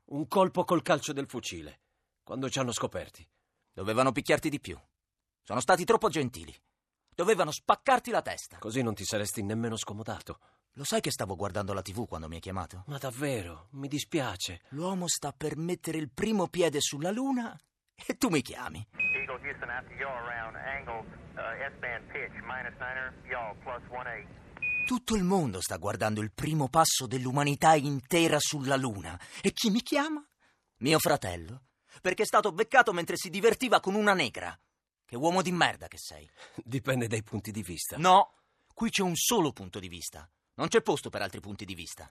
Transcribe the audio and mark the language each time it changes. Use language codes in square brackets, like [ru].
[it] Un colpo col calcio del fucile. Quando ci hanno scoperti. Dovevano picchiarti di più. Sono stati troppo gentili. Dovevano spaccarti la testa. Così non ti saresti nemmeno scomodato. Lo sai che stavo guardando la TV quando mi hai chiamato? Ma davvero? Mi dispiace. L'uomo sta per mettere il primo piede sulla luna... E tu mi chiami. [en] Eagle Houston at the yaw around angle S-band pitch minus 9 yaw plus 1/8. [it] Tutto il mondo sta guardando il primo passo dell'umanità intera sulla luna. E chi mi chiama? Mio fratello. Perché è stato beccato mentre si divertiva con una negra. Che uomo di merda che sei. Dipende dai punti di vista. No, qui c'è un solo punto di vista. Non c'è posto per altri punti di vista.